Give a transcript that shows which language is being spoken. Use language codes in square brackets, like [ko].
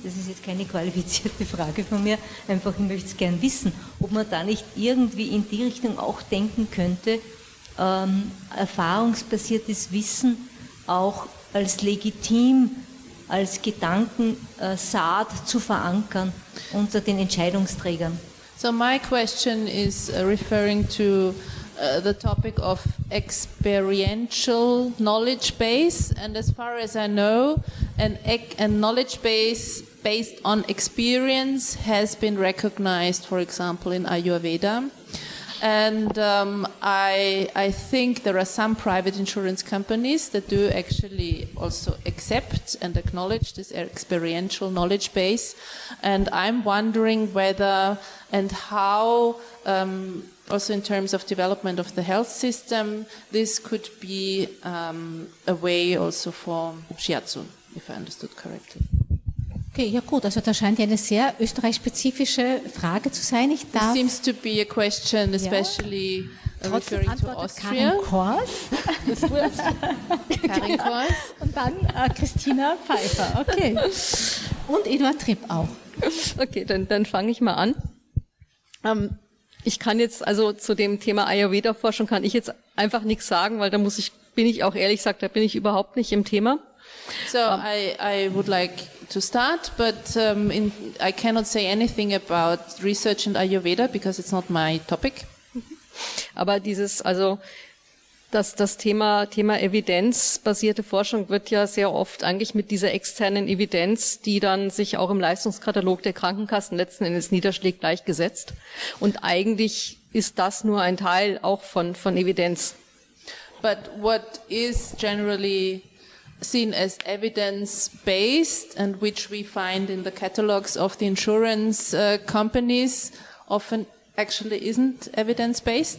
[de] Das ist jetzt keine qualifizierte Frage von mir, einfach ich möchte es gern wissen, ob man da nicht irgendwie in die Richtung auch denken könnte, erfahrungsbasiertes Wissen auch als legitim, als Gedanken Saat zu verankern unter den Entscheidungsträgern. [en] So my question is referring to the topic of experiential knowledge base, and as far as I know, a knowledge base based on experience has been recognized, for example, in Ayurveda. And I think there are some private insurance companies that do actually also accept and acknowledge this experiential knowledge base. And I'm wondering whether and how, also in terms of development of the health system, this could be a way also for Shiatsu, if I understood correctly. [de] Okay, ja gut, also das scheint ja eine sehr österreichspezifische Frage zu sein. Ich darf. [en] It seems to be a question, especially ja, referring to Austria. [de] Karin Kors. Karin Kors. Und dann Christina Pfeiffer, okay. Und Eduard Tripp auch. Okay, dann fange ich mal an. Ich kann jetzt, also zu dem Thema Ayurveda-Forschung kann ich jetzt einfach nichts sagen, weil da muss ich, bin ich auch ehrlich gesagt, da bin ich überhaupt nicht im Thema. [en] So I would like to start, but I cannot say anything about research in Ayurveda because it's not my topic. [de] Aber dieses, also das Thema evidenzbasierte Forschung wird ja sehr oft eigentlich mit dieser externen Evidenz, die dann sich auch im Leistungskatalog der Krankenkassen letzten Endes niederschlägt, gleichgesetzt. Und eigentlich ist das nur ein Teil auch von Evidenz. [en] But what is generally seen as evidence-based and which we find in the catalogs of the insurance companies often actually isn't evidence-based?